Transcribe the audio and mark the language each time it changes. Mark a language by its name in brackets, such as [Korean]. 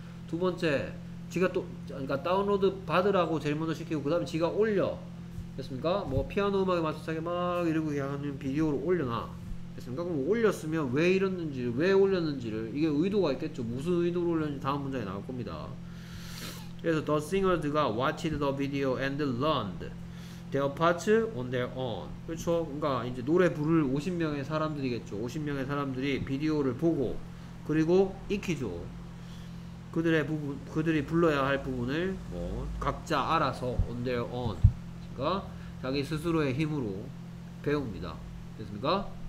[Korean] 두 번째 지가 또 그러니까 다운로드 받으라고 제일 먼저 시키고 그 다음에 지가 올려 됐습니까? 뭐 피아노 음악에 맞춰서 막 이러고 하는 비디오를 올려놔 됐습니까? 그럼 올렸으면 왜 이랬는지를 왜 올렸는지를 이게 의도가 있겠죠. 무슨 의도로 올렸는지 다음 문장에 나올 겁니다. 그래서 [English] The singers가 watched the video and learned their parts on their own. [Korean] 그렇죠? 그러니까 이제 노래 부를 50명의 사람들이겠죠. 50명의 사람들이 비디오를 보고 그리고 익히죠. 그들의 부분 그들이 불러야 할 부분을 뭐 각자 알아서 [English] on their own [Korean] 그러니까 자기 스스로의 힘으로 배웁니다. 됐습니까?